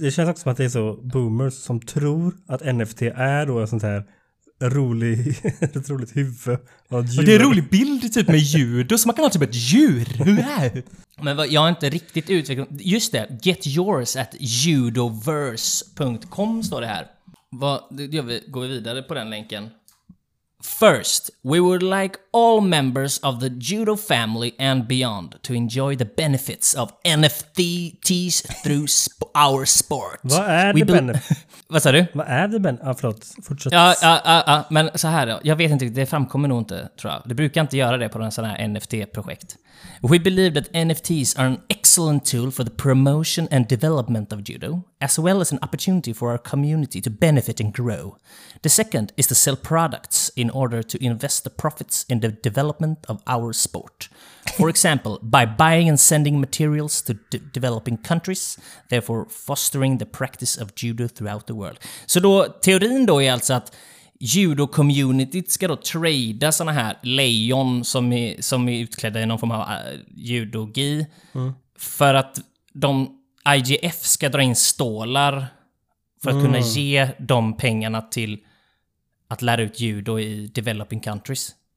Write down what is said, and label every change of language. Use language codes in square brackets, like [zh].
[sv] Det känns också som att det är så boomers som tror att NFT är då sånt här roligt roligt huvud av djur. Och det är en rolig bild typ med djur. Då smakar man typ ett djur. Men jag har inte riktigt utvecklat. Just det, getyours@judoverse.com står det här. Går vi vidare på den länken. [en] First, we would like all members of the judo family and beyond to enjoy the benefits of NFTs through our sport. [sv] Vad är det Vad sa du? Vad är det förlåt, fortsätt. Ja, men så här då. Jag vet inte, det framkommer nog inte, tror jag. Det brukar inte göra det på en sån här NFT-projekt. [en] We believe that NFTs are an excellent tool for the promotion and development of judo, as well as an opportunity for our community to benefit and grow. The second is to sell products in order to invest the profits in the development of our sport. For example, by buying and sending materials to developing countries, therefore fostering the practice of judo throughout the world. [sv] Så då, teorin då är alltså att judo-communityt ska då trada såna här lejon som är utklädda i någon form av judogi för att de IGF ska dra in stålar för att kunna ge de pengarna till att lära ut judo i [en] developing countries.